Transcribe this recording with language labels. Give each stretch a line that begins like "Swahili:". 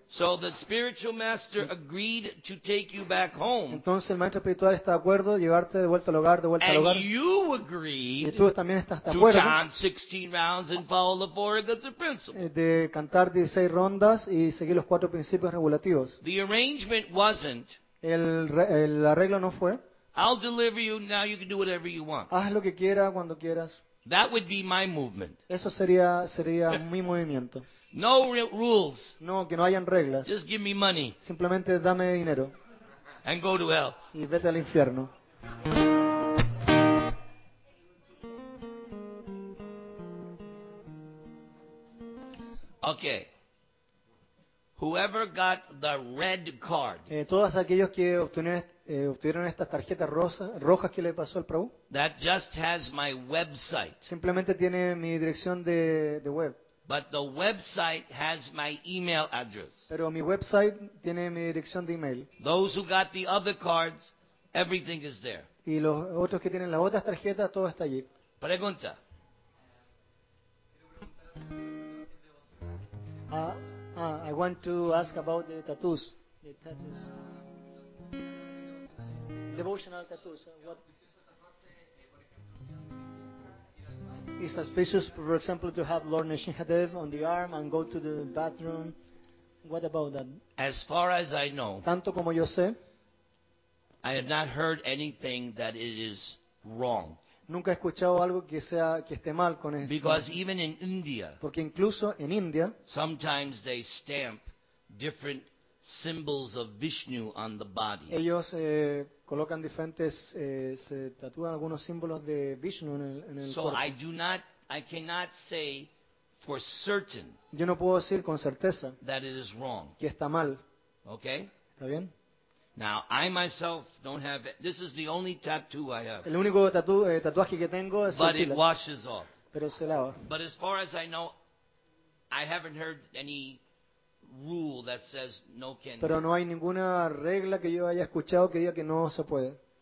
English: So the spiritual master agreed to take you back home.
Spanish: Entonces el maestro espiritual está de acuerdo llevarte de vuelta al hogar, de vuelta
English: and
Spanish: al hogar.
English: And you agreed.
Spanish: Y tú también estás de acuerdo.
English: To chant 16 rounds and follow the four goods of principle.
Spanish: De cantar 16 rondas y seguir los cuatro principios regulativos.
English: The arrangement wasn't.
Spanish: El arreglo no fue.
English: I'll deliver you now. You can do whatever you want.
Spanish: Haz lo que quieras cuando quieras.
English: That would be my movement.
Spanish: Eso sería mi movimiento.
English: No rules.
Spanish: No, que no hayan reglas.
English: Just give me money.
Spanish: Simplemente dame dinero.
English: And go to hell.
Spanish: Y vete al infierno.
English: Okay. Whoever got the red card.
Spanish: Todos aquellos que obtuvieron estas tarjetas rojas que le pasó al Prabhu.
English: That just has my website.
Spanish: Simplemente tiene mi dirección de web.
English: But the website has my email address.
Spanish: Pero mi website tiene mi dirección de email.
English: Those who got the other cards, everything is there.
Spanish: Y los otros que tienen las otras tarjetas, todo está allí. Pregunta.
English: I want to ask about the tattoos. The tattoos. Devotional tattoos. What? It's suspicious, for example, to have Lord Narsimhadev on the arm and go to the bathroom. What about that? As far as I know,
Spanish: tanto como yo sé,
English: I have not heard anything that it is wrong.
Spanish: Nunca he escuchado algo que sea que esté mal con esto.
English: Because even in India,
Spanish: porque incluso en India,
English: sometimes they stamp different symbols of Vishnu on the body.
Spanish: Ellos colocan diferentes se tatúan algunos símbolos de Vishnu en el
English: so So I cannot say for certain.
Spanish: Yo no puedo decir con certeza
English: that it is wrong.
Spanish: Que está mal.
English: Okay?
Spanish: ¿Está bien?
English: Now I myself don't have. This is the only tattoo I have.
Spanish: El único tatuaje que tengo es
English: But it washes off.
Spanish: Pero se lava.
English: But as far as I know, I haven't heard any rule that says no can.
Spanish: Pero no hay ninguna regla que yo haya escuchado que diga que no se puede.